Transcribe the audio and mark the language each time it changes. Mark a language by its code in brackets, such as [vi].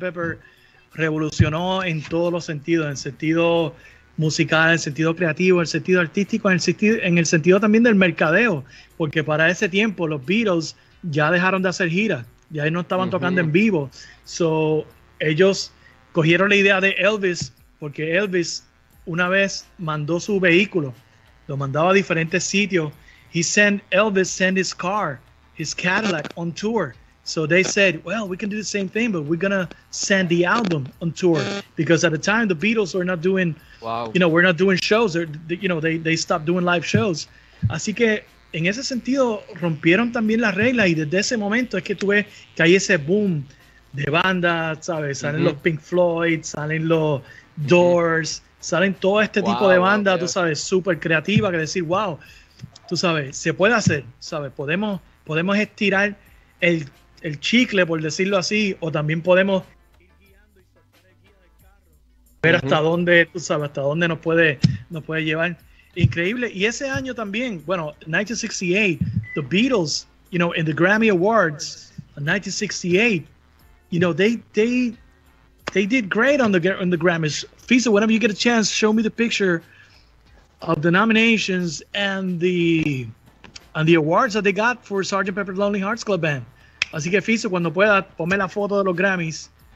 [es] Pepper, revolucionó en todos los sentidos, en el sentido musical, en el sentido creativo, en el sentido artístico, en el sentido también del mercadeo, porque para ese tiempo los Beatles ya dejaron de hacer giras, ya no estaban tocando en vivo. So, ellos cogieron la idea de Elvis, porque Elvis una vez mandó su vehículo, lo mandaba a diferentes sitios. [en] Elvis sent his car, his Cadillac, on tour. So they said, well, we can do the same thing, but we're going to send the album on tour. Because at the time, the Beatles were not doing, you know, we're not doing shows. They stopped doing live shows. [es] Así que, en ese sentido, rompieron también las reglas. Y desde ese momento es que tuve que hay ese boom de bandas, ¿sabes? Salen los Pink Floyd, salen los Doors, salen todo este tipo de bandas, tú sabes, súper creativas, que decir, wow, tú sabes, se puede hacer, ¿sabes? Podemos estirar el chicle, por decirlo así, o también podemos ver hasta dónde, tú sabes, hasta dónde nos puede llevar. Increíble. Y ese año también, bueno, [en] 1968, the Beatles, you know, in the Grammy Awards, 1968, you know, they did great on the Grammys. Fisa, whenever you get a chance, show me the picture of the nominations and the awards that they got for Sgt. Pepper's Lonely Hearts Club Band. [es] Así que Fisa, cuando pueda, ponme la foto de los Grammys.